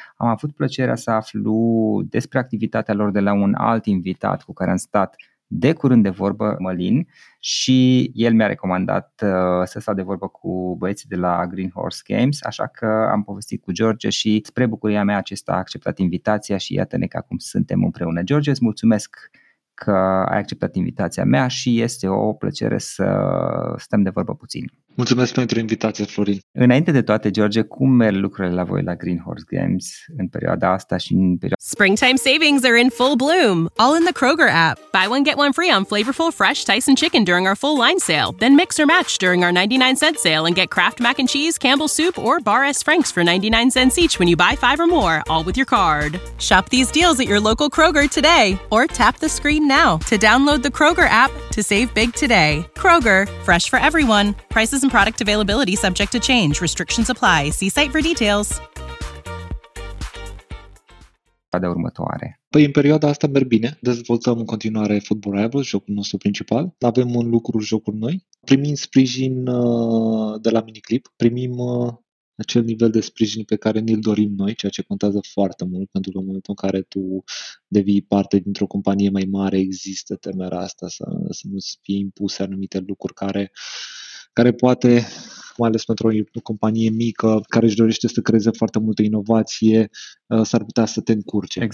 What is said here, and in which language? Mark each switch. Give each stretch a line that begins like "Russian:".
Romanian: Am avut plăcerea să aflu despre activitatea lor de la un alt invitat cu care am stat de curând de vorbă, Mălin, și el mi-a recomandat să stau de vorbă cu băieții de la Green Horse Games, așa că am povestit cu George și spre bucuria mea acesta a acceptat invitația și iată-ne că acum suntem împreună. George, îți mulțumesc că ai acceptat invitația mea și este o plăcere să stăm de vorbă puțin. Mulțumesc pentru invitație, Florin. Înainte de toate, George, cum merg lucrurile la voi la Green Horse Games în perioada asta și în perioada...
English: Springtime savings are in full bloom, all in the Kroger app. Buy one, get one free on flavorful fresh Tyson chicken during our full line sale. Then mix or match during our 99 cent sale and get Kraft mac and cheese, Campbell's soup or Bar S Franks for 99 cents each when you buy five or more, all with your card. Shop these deals at your local Kroger today or tap the screen now to download the Kroger app to save big today. Kroger, fresh for everyone. Prices and product availability subject to change. Restrictions apply. See site for details.
Romanian: De următoare. Păi în perioada asta merg bine, dezvoltăm în continuare Football Rivals, jocul nostru principal. Avem un lucru, jocuri noi. Primim sprijin de la Miniclip, primim acel nivel de sprijin pe care ni-l dorim noi, ceea ce contează foarte mult, pentru că în momentul în care tu devii parte dintr-o companie mai mare, există temerea asta să nu-ți fie impuse anumite lucruri care poate, mai ales pentru o companie mică care își dorește să creeze foarte multă inovație, s-ar putea să te încurce.